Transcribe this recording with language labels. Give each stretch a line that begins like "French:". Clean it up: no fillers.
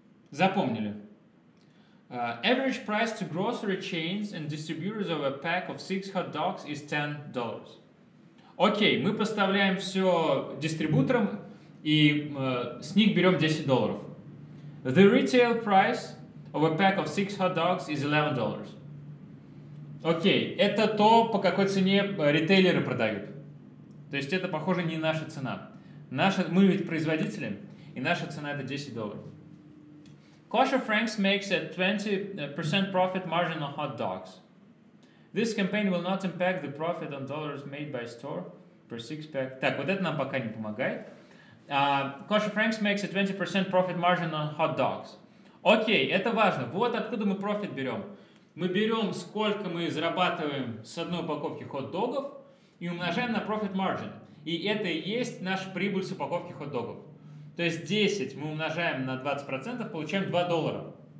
Russian: Запомнили.
English: Average price to grocery chains and distributors of a pack of 6 hot dogs is $10.
Russian: Окей, мы поставляем все дистрибуторам и с них берем $10.
English: The retail price of a pack of 6 hot dogs is $11.
Russian: Окей, это то, по какой цене ритейлеры продают. То есть это, похоже, не наша цена. Мы ведь производители, и наша цена это $10.
English: Kosher Franks makes a 20% profit margin on hot dogs. This campaign will not impact the profit on dollars made by store per six pack.
Russian: Так, вот это нам пока не помогает.
English: Kosher Franks makes a 20% profit margin on hot dogs.
Russian: Окей, это важно. Вот откуда мы профит берем. Мы берем, сколько мы зарабатываем с одной упаковки хот-догов и умножаем на profit margin. И это и есть наша прибыль с упаковки хот-догов. То есть 10 мы умножаем на 20%, получаем $2.